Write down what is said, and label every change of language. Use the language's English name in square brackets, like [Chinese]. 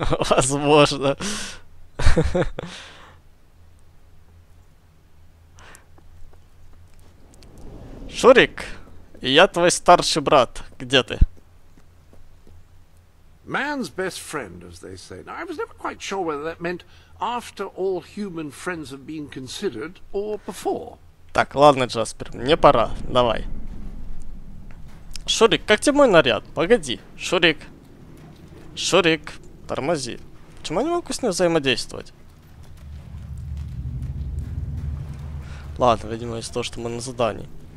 [Russian] Возможно. Шурик, я твой старший брат. Где ты? [English] Man's best friend, as they say. Now, I was never quite sure whether that meant after all human friends have been considered or before. [Russian] Так, ладно, Джаспер, мне пора. Давай. Шурик, как тебе мой наряд? Погоди. Шурик. Шурик, тормози. Почему я не могу с ним взаимодействовать? Ладно, видимо, из-за того, что мы на задании.